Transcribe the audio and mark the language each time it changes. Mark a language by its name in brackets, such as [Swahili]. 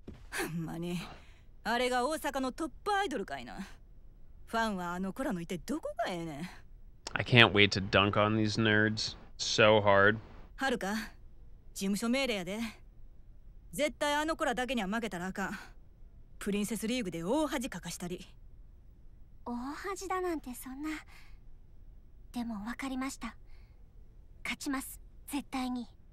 [Japanese] ほんまに、あれが大阪のトップアイドルかいな。ファンはあの子らの一体どこがええねん。 [English] I can't wait to dunk on these nerds. So hard. [Japanese] はるか、事務所命令やで。絶対あの子らだけには負けたらあかん。プリンセスリーグで大恥かかしたり。大恥だなんてそんな。でもわかりました。勝ちます、絶対に。